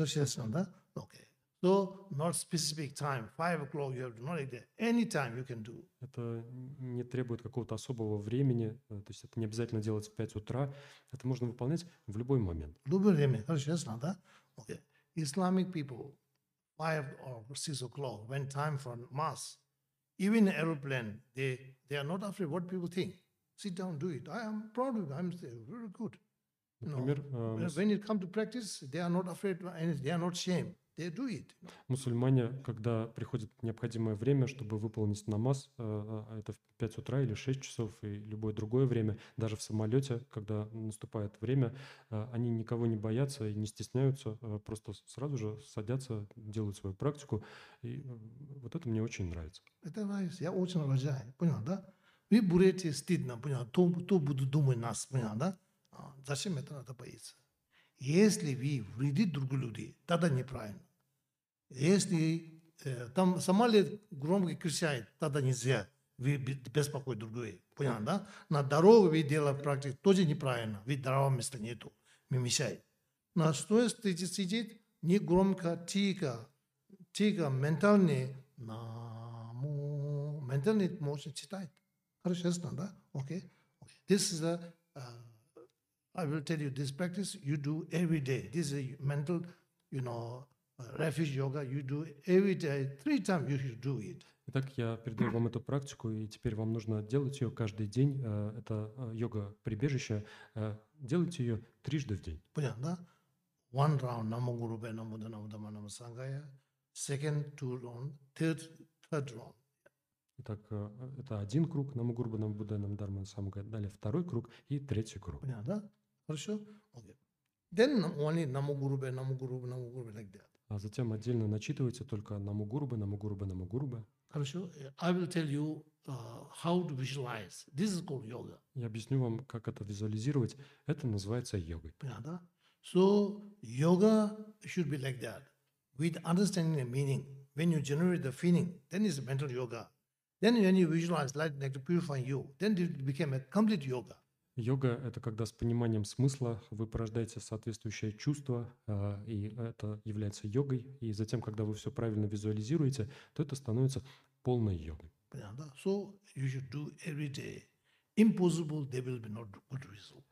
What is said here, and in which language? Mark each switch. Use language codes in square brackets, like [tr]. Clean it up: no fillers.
[ru] Хорошо, да? Окей. [en] So not specific time. 5 o'clock you have to not there. Any time you can do. [ru] Это не требует какого-то особого времени. То есть это не обязательно делать в 5 утра. Это можно выполнять в любой момент. В любое время. Хорошо, да? Окей. [en] Islamic people, 5 or 6 o'clock, when time for mass, even aeroplane, they are not afraid what people think. Sit down, do it. I am proud of you. I'm very good. [ru] Например, [en] when it comes to practice, they are not afraid, they are not ashamed. They do it. [ru] Мусульмане, когда приходит необходимое время, чтобы выполнить намаз, это в 5 утра или 6 часов, и любое другое время, даже в самолете, когда наступает время, они никого не боятся и не стесняются, просто сразу же садятся, делают свою практику. И вот это мне очень нравится. Это нравится, я очень уважаю, понял, да? Вы будете стыдно, понял, кто будет думать нас, понял, да? Зачем это надо бояться? Если вы вредите другим людям, тогда неправильно. Если там самолет громко кричает, тогда нельзя. Вы беспокоите другое. Понятно, да? На дороге вы делаете практику, тоже неправильно. Ведь дорогого места нету. Мы мешаем. На что если сидит не громко, тихо. Тихо, ментальный. Ментальный можно читать. Хорошо, ясно, да? Окей. [en] Okay. This is a... I will tell you this practice you do every day. This is a mental, you know, refuge yoga. You do every day, 3 times you should do it. [ru] Итак, я передаю вам эту практику, и теперь вам нужно делать ее каждый день. Это йога-прибежище. Делайте ее 3 раза в день. Понятно, да? [en] One round, namo guru bhe, namo dha, namo dhamma, namo sanghaya. Second, 2 rounds. Third round. [ru] Итак, это 1 круг, нам гурба, нам будда, нам дарма, нам самгая. Далее 2 круг и 3 круг. Понятно, да? Хорошо? Окей. [en] Okay. Then only нам гурба, like that. [ru] А затем отдельно начитывается только нам гурба, нам гурба, нам гурба. Хорошо. [en] I will tell you how to visualize. This is called yoga. [ru] Я объясню вам, как это визуализировать. Это называется йогой. Понятно, да? [en] So yoga should be like that. With understanding the meaning. When you generate the feeling, then it's mental yoga. Then when you visualize light like to purify you, then it became a complete yoga. [ru] Йога – это когда с пониманием смысла вы порождаете соответствующее чувство, и это является йогой. И затем, когда вы все правильно визуализируете, то это становится полной йогой. Понятно, да? [en] So you should do every day. Impossible, there will be no good result.